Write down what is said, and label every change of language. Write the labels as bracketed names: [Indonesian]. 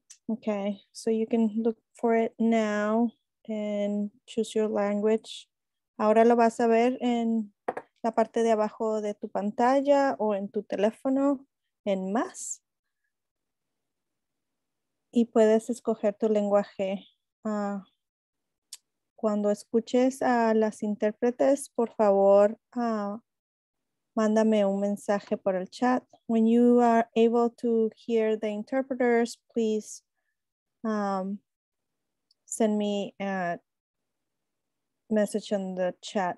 [English] Okay, so you can look for it now and choose your language. [Spanish] Ahora lo vas a ver en la parte de abajo de tu pantalla o en tu teléfono, en más. Y puedes escoger tu lenguaje. Cuando escuches a las intérpretes, por favor, mándame un mensaje por el chat. [English] When you are able to hear the interpreters, please send me a message in the chat.